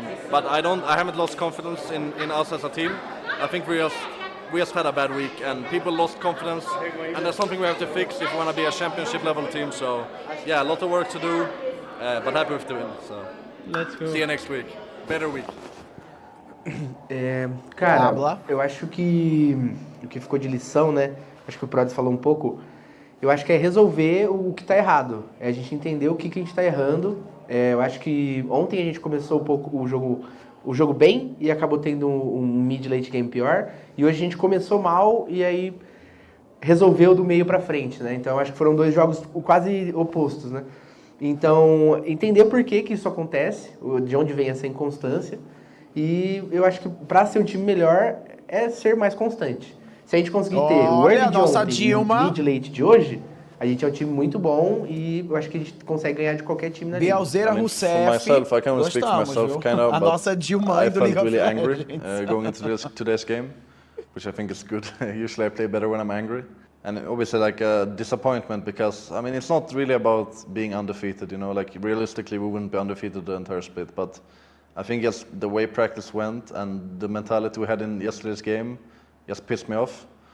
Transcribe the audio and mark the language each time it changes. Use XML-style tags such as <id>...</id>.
<en>But I haven't lost confidence in us as a team. I think we just had a bad week and people lost confidence. And that's something we have to fix if we want to be a championship level team. So yeah, a lot of work to do, but happy with the win. So let's go. See you next week. Better week.</en> <pt>Cara, eu acho que o que ficou de lição, né? Acho que o Prodes falou um pouco. Eu acho que é resolver o que tá errado. É a gente entender o que a gente tá errando. É, eu acho que ontem a gente começou um pouco o jogo bem e acabou tendo um mid-late game pior. E hoje a gente começou mal e aí resolveu do meio pra frente, né? Então eu acho que foram dois jogos quase opostos, né? Então, entender por que isso acontece, de onde vem essa inconstância. E eu acho que pra ser um time melhor é ser mais constante. Se a gente conseguir ter o early de ontem e o mid-late de hoje, a gente é um time muito bom e eu acho que a gente consegue ganhar de qualquer time na Liga. Bielzeira, Rousseff, gostamos,</pt> <en>kind of,</en> <pt>a nossa Dilma do Liga.</pt> <en>I felt really angry going into today's game, which I think is good. Usually I play better when I'm angry. And obviously like a disappointment because, I mean, it's not really about being undefeated, you know, like realistically we wouldn't be undefeated the entire split, but I think just the way practice went and the mentality we had in yesterday's game just pissed me off.</en>